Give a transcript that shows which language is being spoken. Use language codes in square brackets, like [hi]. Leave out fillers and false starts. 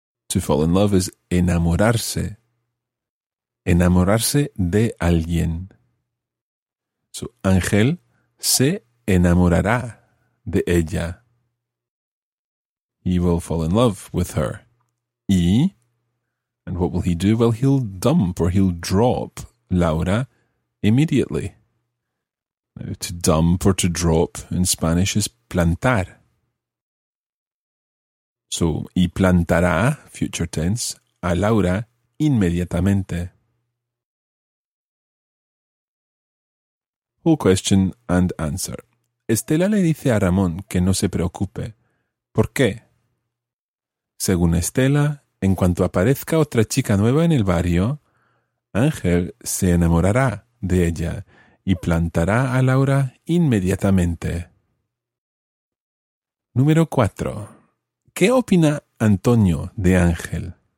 [en] To fall in love is enamorarse. [es] Enamorarse de alguien. So, Ángel se enamorará de ella. [en] He will fall in love with her. Y, and what will he do? Well, he'll dump or he'll drop Laura immediately. Now, to dump or to drop in Spanish is plantar. [es] So, y plantará, [en] future tense, [es] a Laura inmediatamente. [en] Whole question and answer. [es] Estela le dice a Ramón que no se preocupe. ¿Por qué? Según Estela, en cuanto aparezca otra chica nueva en el barrio, Ángel se enamorará de ella y plantará a Laura inmediatamente. Número 4. ¿Qué opina Antonio de Ángel?